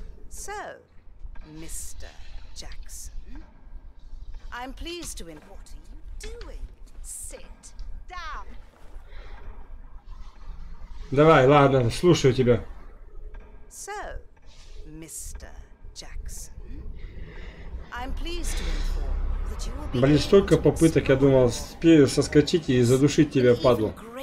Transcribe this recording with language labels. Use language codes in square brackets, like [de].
[en] So, Mr. Jackson, I'm pleased to inform. What are you doing? Sit down. [ru] Давай, ладно, слушаю тебя. [en] So, Mr. Jackson. I'm pleased to inform that you will be. [ru] Блин, столько попыток, я думал, соскочить и задушить тебя, падлу.